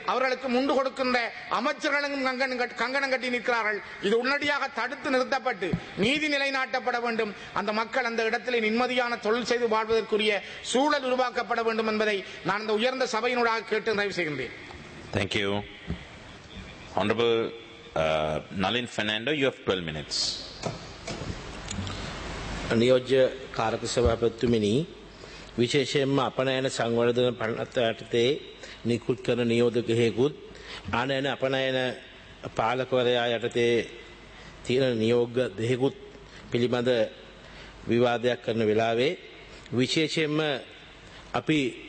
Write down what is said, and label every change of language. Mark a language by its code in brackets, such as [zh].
[ta] அவர்களுக்கு முண்டு கொடுக்கின்ற அமைச்சர்களும் கங்கணம் கட்டி நிற்கிறார்கள். இது உடனடியாக தடுத்து நிறுத்தப்பட்டு நீதி நிலைநாட்டப்பட வேண்டும். அந்த மக்கள் அந்த இடத்திலே நிம்மதியான தொழில் செய்து வாழ்வதற்குரிய சூழல் உருவாக்கப்பட வேண்டும் என்பதை நான் அந்த உயர்ந்த சபையினூடாக கேட்டு நிறைவு செய்கின்றேன். [en] Thank you. Honorable Nalin Fernando, you have 12 minutes. [si] නියෝජ්‍ය කාර්ක සභාපතිතුමනි, විශේෂයෙන්ම අපනයන සංවර්ධන පනත්ව යටතේ නිකුත් කරන නියෝධකහෙකුත් අනයන අපනයන පාලකවරයා යටතේ තියෙන නියෝග දෙහෙකුත් පිළිබඳ විවාදයක් කරන වෙලාවේ විශේෂයෙන්ම අපි